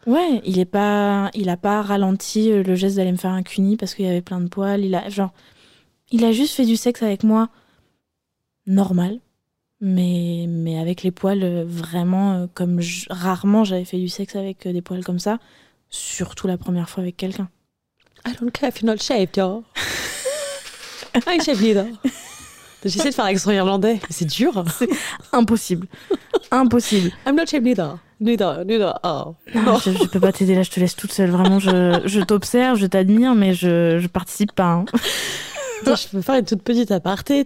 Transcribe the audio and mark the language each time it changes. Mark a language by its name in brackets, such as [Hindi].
[French] Ouais, il a pas ralenti le geste d'aller me faire un cuni parce qu'il y avait plein de poils. Il a juste fait du sexe avec moi, normal, mais avec les poils vraiment comme rarement j'avais fait du sexe avec des poils comme ça, surtout la première fois avec quelqu'un. [English] I don't care if you're not shaved, y'all. I shave neither. [French] J'essaie de faire l'accent irlandais, c'est dur. C'est impossible. Impossible. [English] I'm not shaved neither. Neither. Oh. [French] Non, je peux pas t'aider là, je te laisse toute seule. Vraiment, je t'observe, je t'admire, mais je participe pas. Hein. Attends, je peux faire une toute petite aparté.